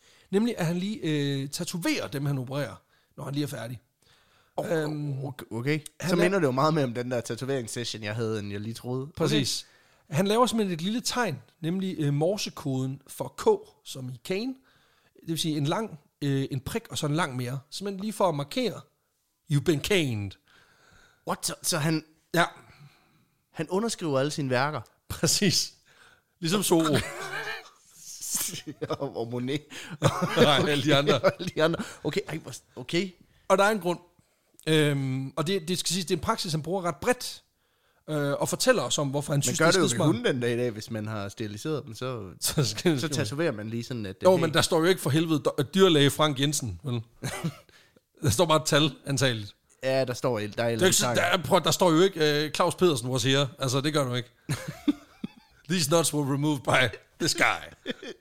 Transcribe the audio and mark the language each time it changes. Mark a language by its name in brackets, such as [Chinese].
[Danish] Nemlig at han lige tatoverer dem, han opererer, når han lige er færdig. Okay, så minder det jo meget mere om den der tatoveringssession, jeg havde, end jeg lige troede. Præcis. Han laver simpelthen et lille tegn, nemlig morsekoden for K, som i Kane. Det vil sige en lang, en prik og så en lang mere. Simpelthen lige for at markere, [English] you've been caned. [Danish] What? Så han... Ja. Han underskriver alle sine værker. Præcis. Ligesom Zorro. Og Monet. Nej, alle de andre. Okay. Og der er en grund. Og det skal siges, det er en praksis, han bruger ret bredt, og fortæller os om, hvorfor han men synes, det er skidsmart. Men gør det jo med hunden den dag i dag, hvis man har steriliseret dem, så tatoverer man lige sådan, at... Jo, men der står jo ikke for helvede dyrlæge Frank Jensen, vel? Der står bare et tal, antageligt. Ja, der står et der står jo ikke Claus Pedersen, vores herre. Altså, det gør du ikke. [English] These nuts were removed by this guy.